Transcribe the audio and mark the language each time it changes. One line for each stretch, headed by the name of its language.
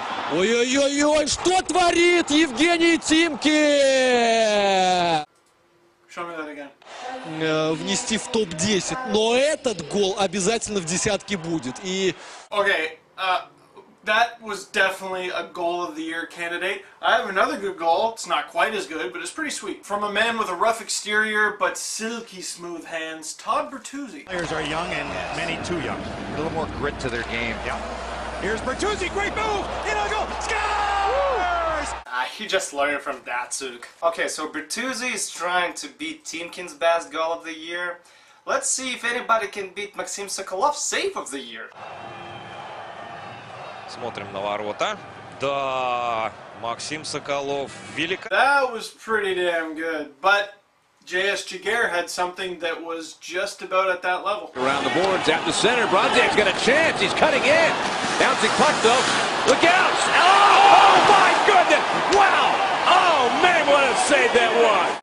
Russian: Ой-ой-ой-ой, что творит Евгений Тимки?
English: Show me that again.
Russian: Внести в топ-10, но этот гол обязательно в десятке будет, и...
English: Okay, that was definitely a goal of the year candidate. I have another good goal. It's not quite as good, but it's pretty sweet. From a man with a rough exterior, but silky smooth hands, Todd Bertuzzi. Players are young and many too young. A little more grit to their game. Yeah. Here's Bertuzzi, great move! In a goal! Scores! He just learned from Datsuk. Okay, so Bertuzzi is trying to beat Timkin's best goal of the year. Let's see if anybody can beat Maxim Sokolov's save of the year.
Russian: Смотрим на ворота. Да, Максим Соколов велик.
English: That was pretty damn good, but J.S. Giguere had something that was just about at that level. Around the boards, out in the center, Brodziak's got a chance, he's cutting in. Bouncing puck though, look out! Oh my goodness! Wow! Oh man, what a save that was!